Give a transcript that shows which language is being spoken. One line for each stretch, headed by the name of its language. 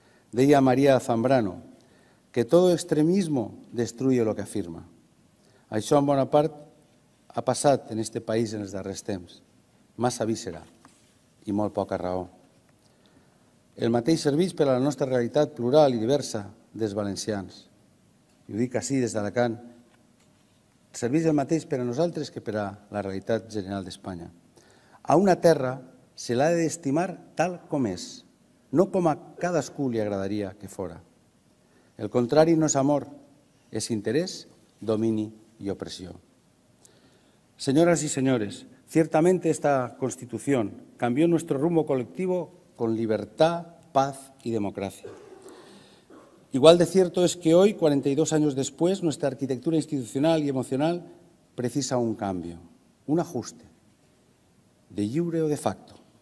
Spanish: Deia María Zambrano que todo extremismo destruye lo que afirma.
Catalan: Això en bona part ha passat en este país en els darrers temps. Massa víscera i molt poca raó. El mateix serveix per a la nostra realitat plural i diversa dels valencians. I ho dic així des d'Alacant. Serveix el mateix per a nosaltres que per a la realitat general d'Espanya. A una terra se l'ha d'estimar tal com és, no com a cadascú li agradaria que fora. El contrari no és amor, és interès, domini i opressió. Senyores i senyores,
Spanish: ciertamente esta Constitución cambió nuestro rumbo colectivo con libertad, paz y democracia. Igual de cierto es que hoy, 42 años después, nuestra arquitectura institucional y emocional precisa un cambio, un ajuste, de jure o de facto.